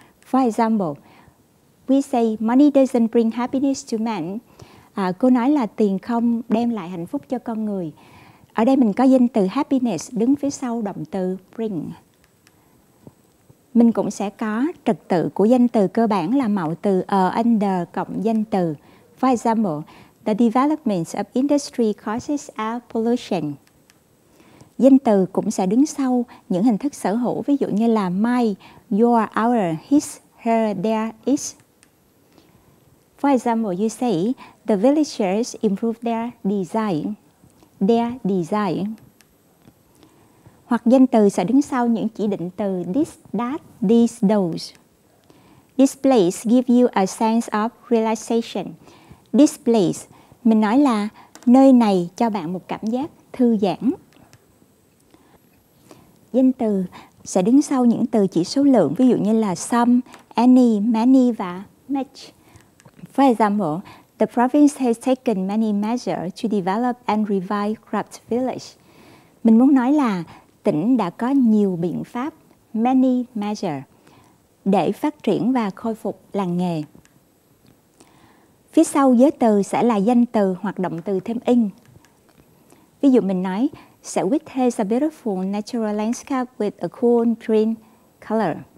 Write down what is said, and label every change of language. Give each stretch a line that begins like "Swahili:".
English: For example, we say money doesn't bring happiness to man.
Vietnamese: Cô nói là tiền không đem lại hạnh phúc cho con người. Ở đây mình có danh từ happiness đứng phía sau động từ bring. Mình cũng sẽ có trật tự của danh từ cơ bản là mạo từ under cộng danh từ.
English: For example, the development of industry causes air pollution.
Vietnamese: Danh từ cũng sẽ đứng sau những hình thức sở hữu, ví dụ như là my, your, our, his, her, their, its.
English: For example, you say the villagers improve their design. Their design.
Vietnamese: Hoặc danh từ sẽ đứng sau những chỉ định từ this, that, these, those.
English: This place gives you a sense of relaxation. This place,
Vietnamese: mình nói là nơi này cho bạn một cảm giác thư giãn. Danh từ sẽ đứng sau những từ chỉ số lượng, ví dụ như là some, any, many và much.
English: For example, the province has taken many measures to develop and revive craft village.
Vietnamese: Mình muốn nói là tỉnh đã có nhiều biện pháp,
English: many measures,
Vietnamese: để phát triển và khôi phục làng nghề. Phía sau giới từ sẽ là danh từ hoặc động từ thêm in. Ví dụ mình nói,
English: Sewit has a beautiful natural landscape with a cool green color.